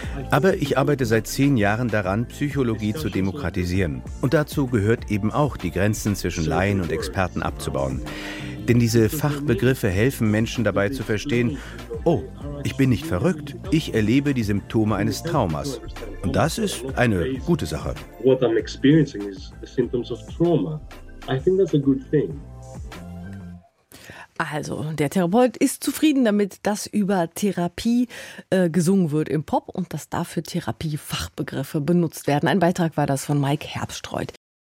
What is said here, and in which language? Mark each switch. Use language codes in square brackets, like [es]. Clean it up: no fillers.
[de] Aber ich arbeite seit 10 Jahren daran, Psychologie zu demokratisieren. Und dazu gehört eben auch, die Grenzen zwischen Laien und Experten abzubauen. Denn diese Fachbegriffe helfen Menschen dabei zu verstehen, oh, ich bin nicht verrückt, ich erlebe die Symptome eines Traumas. Und das ist eine gute Sache. [en] What I'm experiencing is the symptoms of trauma. I think that's a good thing. [de] Also, der Therapeut ist zufrieden damit, dass über Therapie gesungen wird im Pop und dass dafür Therapiefachbegriffe benutzt werden. Ein Beitrag war das von Mike Herbstreut.